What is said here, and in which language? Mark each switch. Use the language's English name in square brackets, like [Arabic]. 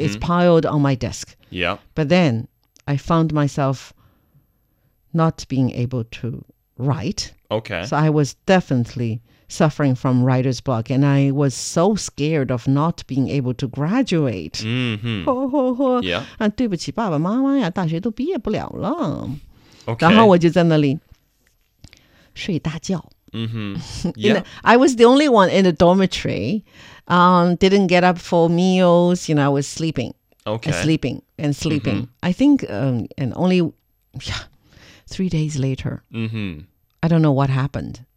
[English] It's piled on my desk. Yeah. But then I found myself not being able to write. Okay. So I was definitely suffering from writer's block, and I was so scared of not being able to graduate. Yeah. [Chinese] 对不起爸爸妈妈呀，大学都毕业不了了。Okay. 然后我就在那里睡大觉。Mm-hmm. [English] Yeah. I was the only one in the dormitory. Didn't get up for meals. You know, I was sleeping. Okay. And sleeping. Mm-hmm. I think, and only 3 days later, I don't know what happened.